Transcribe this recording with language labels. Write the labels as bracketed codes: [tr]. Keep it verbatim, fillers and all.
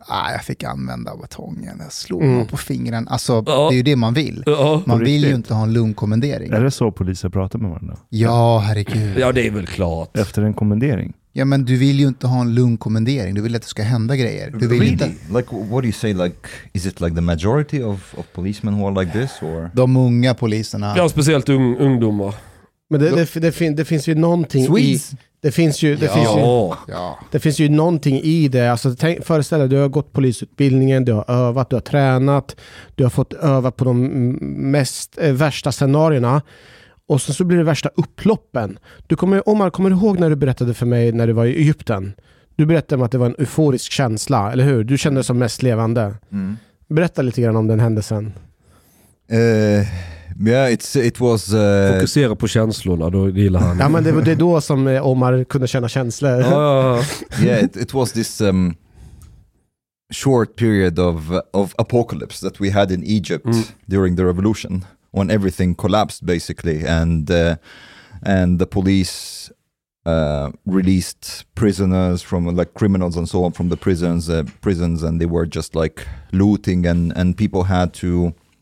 [sv] Ah, jag fick använda batongen. Jag slog mm. mig på fingren. Alltså, ja. Det är ju det man vill. Ja. Man vill ju inte ha en lugn kommendering. Är det så poliser pratar med varandra? Ja, herregud. Ja, det är väl klart. Efter en kommendering. Ja, men du vill ju inte ha en lugn kommendering. Du vill att det ska hända grejer. Du vill [en] really? [sv] inte... [en] Like, what do you say? Like, is it like the majority of, of policemen who are like this? Or? [sv] De unga poliserna. Ja, speciellt un- ungdomar. Men det, det, det, fin- det finns ju någonting [en] Swedes. [sv] i... Det finns ju, det ja. finns ju, ja. det finns ju någonting i det. Alltså, tänk, föreställ dig, du har gått polisutbildningen, du har övat, du har tränat, du har fått öva på de mest eh, värsta scenarierna. Och sen så blir det värsta upploppen. Du kommer, Omar, kommer du ihåg när du berättade för mig när du var i Egypten? Du berättade om att det var en euforisk känsla, eller hur? Du kände dig som mest levande. Mm. Berätta lite grann om den händelsen. [en] Uh... Yeah, it's, it was, uh... [sv] Fokusera på känslorna, då gillar han. Ja, men det, det är då som Omar kunde känna känslor. [en] Uh, yeah, it, it was this um, short period of, of apocalypse that we had in Egypt mm. during the revolution, when everything collapsed basically, and, uh, and the police uh, released prisoners from, like, criminals and so on from the prisons, uh, prisons, and they were just like looting, and, and people had to...